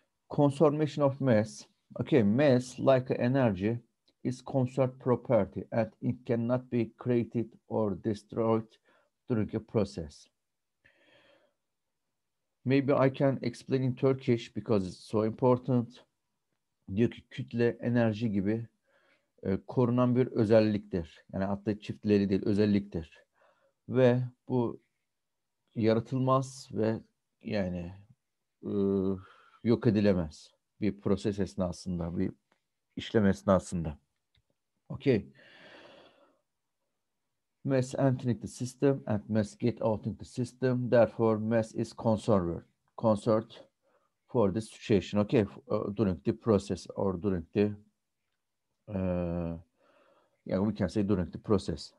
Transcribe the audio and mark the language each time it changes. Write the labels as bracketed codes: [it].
[en] Conservation of mass. Okay, mass like energy is conserved property and it cannot be created or destroyed during a process. Maybe I can explain in Turkish because it's so important. [tr] Diyor ki kütle enerji gibi korunan bir özelliktir. Yani hatta çiftleri değil özelliktir. Ve bu yaratılmaz ve yani yok edilemez bir proses esnasında, bir işlem esnasında. [en] Okay. Mass entering the system and mass get out in the system. Therefore, mass is conserved. Conserved. For the situation, okay, during the process or during the, we can say during the process.